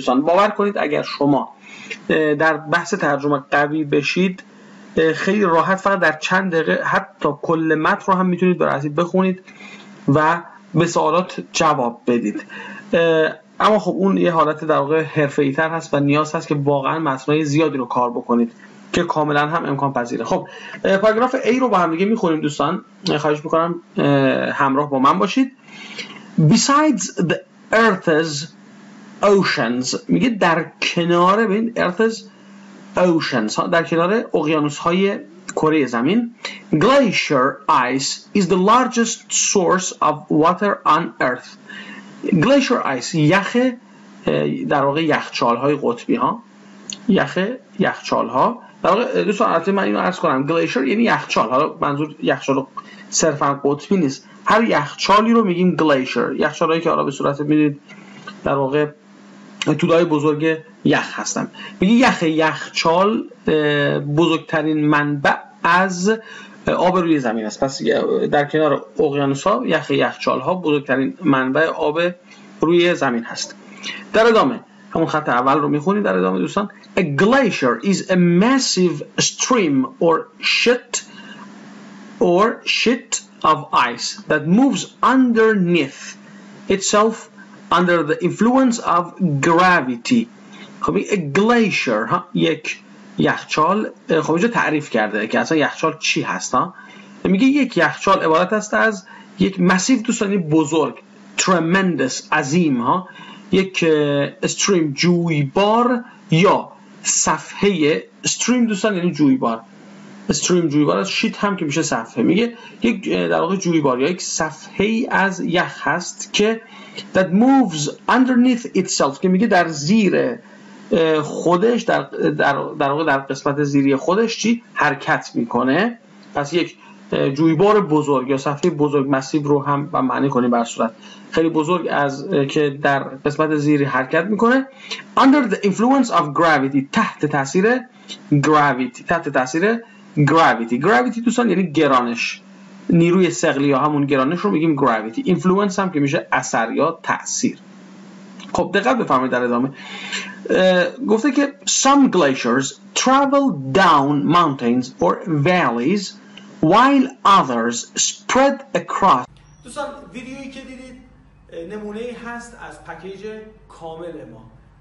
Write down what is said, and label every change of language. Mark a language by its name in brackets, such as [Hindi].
[Persian] دوستان باور کنید اگر شما در بحث ترجمه قوی بشید، خیلی راحت فقط در چند دقیقه حتی کل متن رو هم میتونید برای اصلی بخونید و به سوالات جواب بدید. اما خب اون یه حالت در واقع حرفه‌ای تر هست و نیاز هست که واقعا متنای زیادی رو کار بکنید که کاملا هم امکان پذیره. خب پاراگراف A رو با هم دیگه میخونیم دوستان. خواهش میکنم همراه با من باشید. [English] Besides the earth's oceans، [Persian] میگه در کنار بین [English] earth's oceans، [Persian] در کنار اقیانوس های کره زمین، [English] glacier ice is the largest source of water on earth. [Persian] glacier ice، یخ، در واقع یخچال های قطبی ها، یخچال ها. در واقع دوستان البته من اینو عرض کنم، glacier یعنی یخچال، حالا منظور یخچال صرفا قطبی نیست، هر یخچالی رو میگیم glacier. یخچال هایی که حالا به صورت میدید در واقع تودای بزرگ یخ هستن. میگه یخ یخچال بزرگترین منبع از آب روی زمین است. پس در کنار اقیانوس ها یخ یخچال ها بزرگترین منبع آب روی زمین هست. در ادامه همون خط اول رو میخونی در ادامه دوستان. [English] A glacier is a massive stream or sheet of ice that moves underneath itself under the influence of gravity. [Persian] خب یک glacier، ها، یک یخچال. خب اینجا تعریف کرده که اصلا یخچال چی هست، ها؟ میگه یک یخچال عبارت است از یک massive، دوستانی بزرگ، tremendous، عظیم، ها، یک stream، جویبار یا صفحه. stream دوستان یعنی جویبار، stream جویبار از شیت هم که میشه صفحه. میگه یک در واقع جویبار یا یک صفحه از یخ هست که [English] that moves underneath itself، [Persian] که میگه در زیر خودش، در واقع در قسمت زیری خودش چی حرکت میکنه. پس یک جویبار بزرگ یا صفحه بزرگ، مسیو رو هم با معنی کنیم بر صورت خیلی بزرگ از که در قسمت زیری حرکت میکنه. [English] under the influence of gravity، [Persian] تحت تاثیر [English] gravity، تحت تاثیر gravity. [Persian] gravity دوستان یعنی گرانش، نیروی ثقلی یا همون گرانش رو میگیم gravity. influence هم که میشه اثر یا تاثیر. خب دقت بفرمایید در ادامه. گفته که [English] some glaciers travel down mountains or valleys while others spread across. [Persian] دوستان ویدیویی که دیدید نمونه هست از پکیج کامل ما.